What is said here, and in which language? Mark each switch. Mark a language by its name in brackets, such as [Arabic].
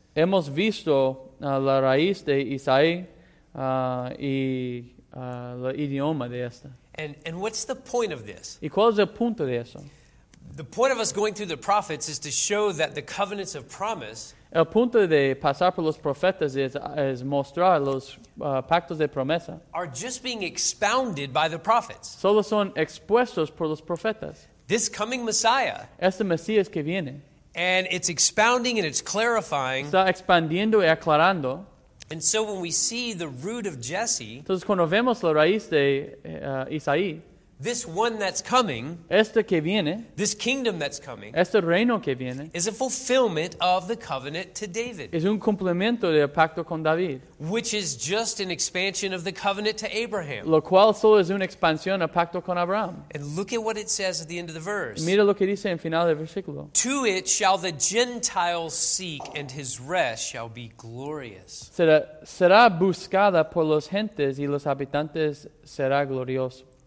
[Spanish] Hemos visto la raíz de Isaí la idioma de esta. [English] And what's the point of this? [Spanish] ¿Y cuál es el punto de eso? [English] The point of us going through the prophets is to show that the covenants of promise. [Spanish] El punto de pasar por los profetas es mostrar los pactos de promesa. [English] Are just being expounded by the prophets. [Spanish] Solo son expuestos por los profetas. [English] This coming Messiah. [Spanish] Este Mesías que viene. [English] And it's expounding and it's clarifying. [Spanish] Está expandiendo y aclarando. [English] And so when we see the root of Jesse. [Spanish] Entonces cuando vemos la raíz de Isaí. [English] This one that's coming, [Spanish] este que viene, [English] this kingdom that's coming, [Spanish] este reino que viene, [English] is a fulfillment of the covenant to David. [Spanish] Es un cumplimiento del pacto con David. [English] Which is just an expansion of the covenant to Abraham. [Spanish] Lo cual solo es una expansión al pacto con Abraham. [English] And look at what it says at the end of the verse. [Spanish] Mira lo que dice en final del versículo. [English] To it shall the Gentiles seek, and his rest shall be glorious. [Spanish] Será buscada por los gentes, y los habitantes será glorioso.